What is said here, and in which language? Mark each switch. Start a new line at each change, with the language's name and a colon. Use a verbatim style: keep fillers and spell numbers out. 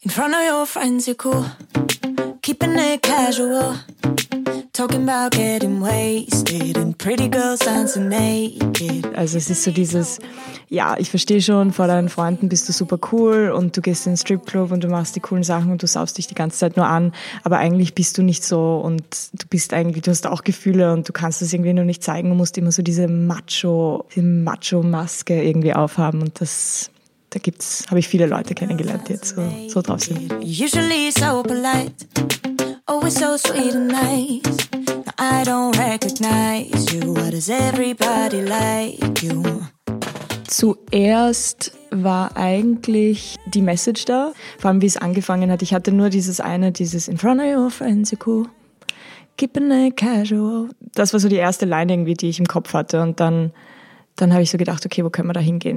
English: In front of your friends you're cool, keeping it casual, talking about getting wasted and pretty girls dancing naked.
German: Also es ist so dieses, ja, ich verstehe schon, vor deinen Freunden bist du super cool und du gehst in den Stripclub und du machst die coolen Sachen und du saufst dich die ganze Zeit nur an, aber eigentlich bist du nicht so und du bist eigentlich, du hast auch Gefühle und du kannst das irgendwie nur nicht zeigen und musst immer so diese Macho, diese Macho-Maske irgendwie aufhaben und das... Da gibt's, habe ich viele Leute kennengelernt, die jetzt so, so drauf sind.
English: Usually so polite, always so sweet and nice. Now I don't recognize you, why does everybody like you?
German: Zuerst war eigentlich die Message da, vor allem wie es angefangen hat. Ich hatte nur dieses eine, dieses
English: in front of your friends you're cool, keeping it casual.
German: Das war so die erste Line irgendwie, die ich im Kopf hatte und dann... Dann habe ich so gedacht, okay, wo können wir da hingehen?